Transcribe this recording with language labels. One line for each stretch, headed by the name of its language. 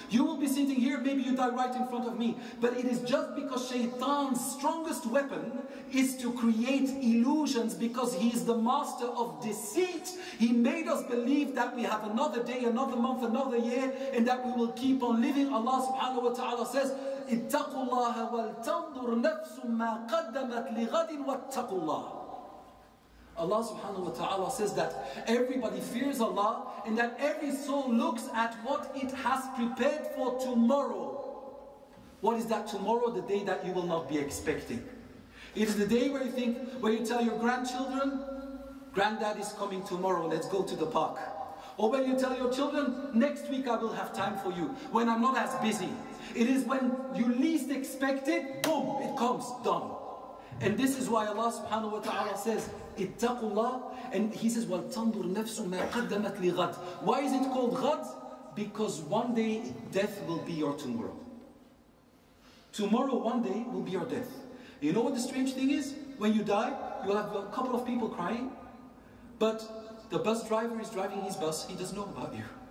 English: You will be sitting here, maybe you die right in front of me. But it is just because Shaitan's strongest weapon is to create illusions, because he is the master of deceit. He made us believe that we have another day, another month, another year, and that we will keep on living. Allah subhanahu wa ta'ala says,
Arabic: اتَّقُوا اللَّهَ وَالْتَنْظُرْ نَفْسٌ مَا قَدَّمَتْ لِغَدٍ وَاتَّقُوا اللَّهَ.
English: Allah subhanahu wa ta'ala says that everybody fears Allah, and that every soul looks at what it has prepared for tomorrow. What is that tomorrow? The day that you will not be expecting. It is the day where you think, where you tell your grandchildren, granddad is coming tomorrow, let's go to the park. Or when you tell your children, next week I will have time for you, when I'm not as busy. It is when you least expect it, boom, it comes, done. And this is why Allah subhanahu wa ta'ala says,
Arabic: اتَّقُوا اللَّهُ.
English: And He says,
Arabic: وَالْتَنْظُرْ نَفْسٌ مَا قَدَّمَتْ لِغَدْ.
English: Why is it called غَدْ? Because one day death will be your tomorrow. Tomorrow, one day, will be your death. You know what the strange thing is? When you die, you'll have a couple of people crying, but the bus driver is driving his bus, he doesn't know about you.